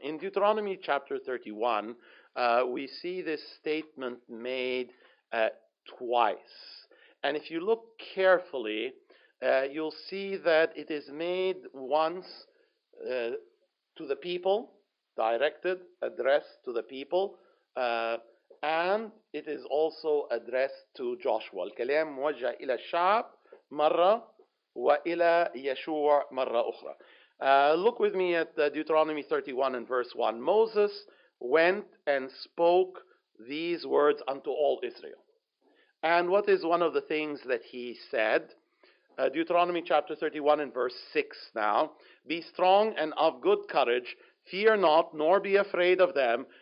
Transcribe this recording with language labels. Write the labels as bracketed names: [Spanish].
[English] In Deuteronomy chapter 31, we see this statement made twice. And if you look carefully, You'll see that it is made once to the people, directed, addressed to the people, and it is also addressed to Joshua. [Arabic] الكلام موجه إلى الشعب مرة وإلى يشوع مرة أخرى. [English] Look with me at Deuteronomy 31 and verse 1. Moses went and spoke these words unto all Israel. And what is one of the things that he said? Deuteronomy chapter 31 and verse 6 now. Be strong and of good courage. Fear not, nor be afraid of them.